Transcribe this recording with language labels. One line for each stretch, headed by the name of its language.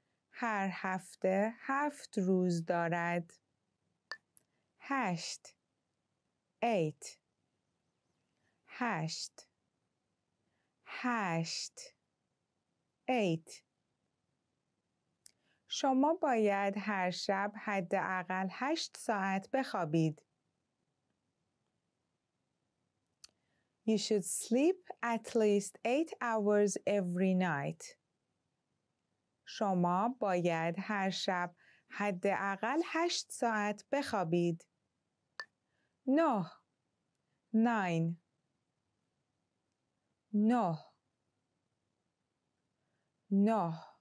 Persian: هر هفته هفت روز دارد. هشت. Eight. هشت. هشت. Eight. شما باید هر شب حداقل 8 ساعت بخوابید.
English: You should sleep at least 8 hours every night.
Persian: شما باید هر شب حداقل 8 ساعت بخوابید. 9. 9. 9. 9.